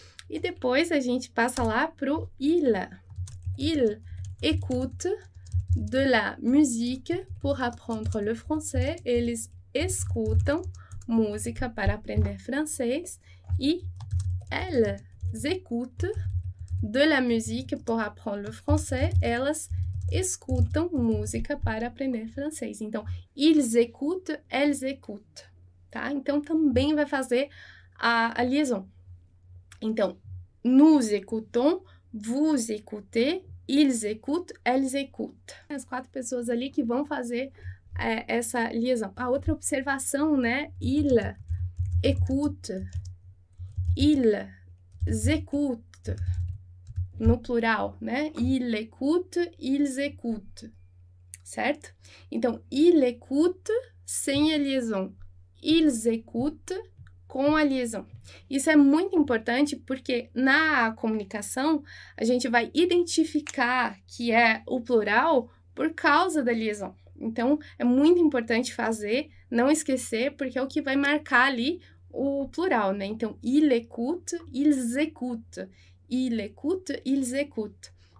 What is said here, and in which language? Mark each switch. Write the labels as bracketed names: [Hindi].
[Portuguese] E depois a gente passa lá pro il. [French] Il écoute de la musique pour apprendre le français. [Portuguese] Eles escutam música para aprender francês. E [French] elles écoutent de la musique pour apprendre le français. [Portuguese] Elas escutam música para aprender francês. [French] Então, ils écoutent, elles écoutent. Tá? [Portuguese] Então, também vai fazer a liaison. [French] Então, nous écoutons, vous écoutez, ils écoutent, elles écoutent. [Portuguese] As quatro pessoas ali que vão fazer essa liaison. A outra observação, né? [French] Il écoute, ils écoutent. [Portuguese] No plural, né? [French] Il écoute, ils écoutent. [Portuguese] Certo? Então, [French] il écoute [Portuguese] sem a liaison. [French] Ils écoutent [Portuguese] com a liaison. Isso é muito importante porque na comunicação a gente vai identificar que é o plural por causa da liaison. Então, é muito importante fazer, não esquecer, porque é o que vai marcar ali o plural, né? [French] Então, il écoute, ils écoutent. Il écoute, ils écoutent.